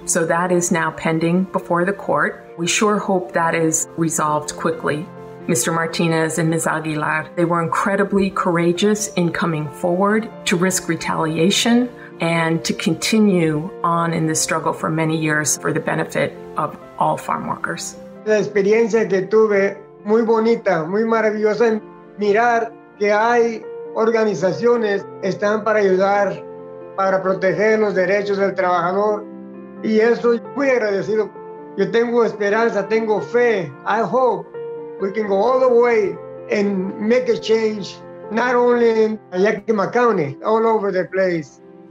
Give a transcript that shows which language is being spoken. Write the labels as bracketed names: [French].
[English] So that is now pending before the court. We sure hope that is resolved quickly. Mr. Martinez and Ms. Aguilar. They were incredibly courageous in coming forward to risk retaliation and to continue on in this struggle for many years for the benefit of all farm workers. [Spanish] La experiencia que tuve, muy bonita, muy maravillosa, mirar que hay organizaciones están para ayudar, para proteger los derechos del trabajador. Y eso, muy agradecido. Yo tengo esperanza, tengo fe. [English] I hope we can go all the way and make a change, not only in Yakima County, all over the place.